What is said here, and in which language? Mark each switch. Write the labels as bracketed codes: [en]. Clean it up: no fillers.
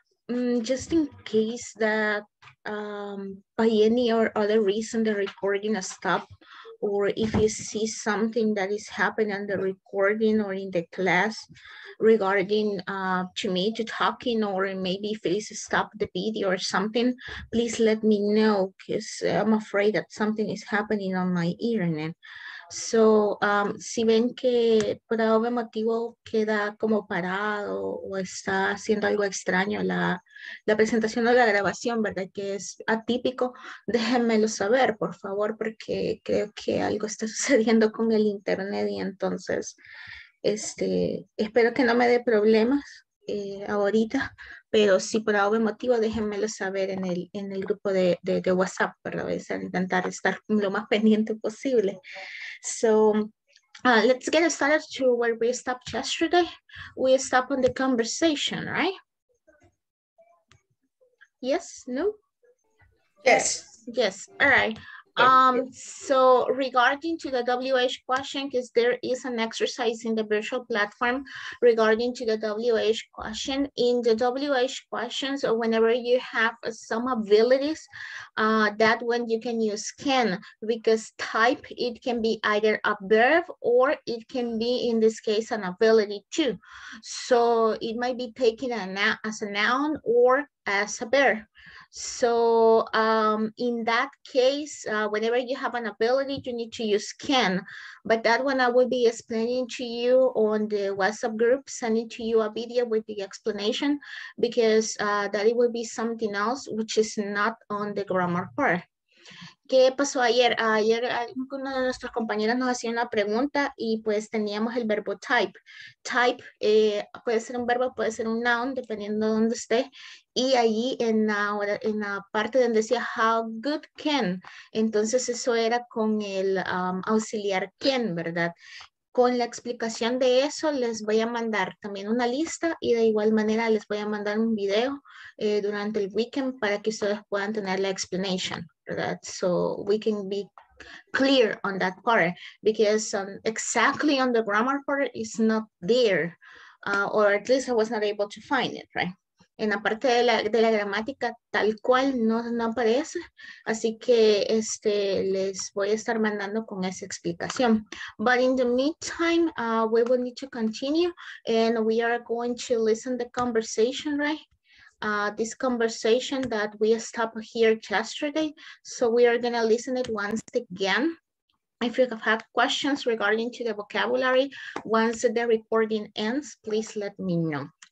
[en] Just in case that by any or other reason the recording stopped, or if you see something that is happening on the recording or in the class regarding to me to talking, or maybe if it is stopped the video or something, please let me know, because I'm afraid that something is happening on my internet. [es] So, si ven que por algún motivo queda como parado o está haciendo algo extraño la presentación o la grabación, ¿verdad? Que es atípico, déjenmelo saber, por favor, porque creo que algo está sucediendo con el internet y entonces, espero que no me dé problemas ahorita, pero si por algún motivo déjenmelo saber en el grupo de WhatsApp, ¿verdad? Voy a intentar estar lo más pendiente posible. [en] So let's get started to where we stopped yesterday. We stopped on the conversation, right? Yes, no? Yes. Yes, all right. So regarding to the WH question, because there is an exercise in the virtual platform regarding to the WH question. In the WH questions, or whenever you have some abilities, that one you can use can, because type, it can be either a verb or it can be, in this case, an ability too. So it might be taken as a noun or as a verb. So in that case, whenever you have an ability, you need to use can. But that one I will be explaining to you on the WhatsApp group, sending to you a video with the explanation, because that it will be something else, which is not on the grammar part. [es] ¿Qué pasó ayer? Ayer una de nuestras compañeras nos hacía una pregunta y pues teníamos el verbo type. Type puede ser un verbo, puede ser un noun, dependiendo de dónde esté. Y allí en la parte donde decía how good can, entonces eso era con el auxiliar can, ¿verdad? Con la explicación de eso, les voy a mandar también una lista y de igual manera les voy a mandar un video durante el weekend para que ustedes puedan tener la explanation, ¿verdad? [en] So we can be clear on that part, because exactly on the grammar part is not there, or at least I was not able to find it, right? [es] En la parte de la gramática tal cual no aparece, así que les voy a estar mandando con esa explicación. [en] But in the meantime, we will need to continue and we are going to listen to the conversation, right? This conversation that we stopped here yesterday, so we are going to listen it once again. If you have had questions regarding to the vocabulary, once the recording ends, please let me know.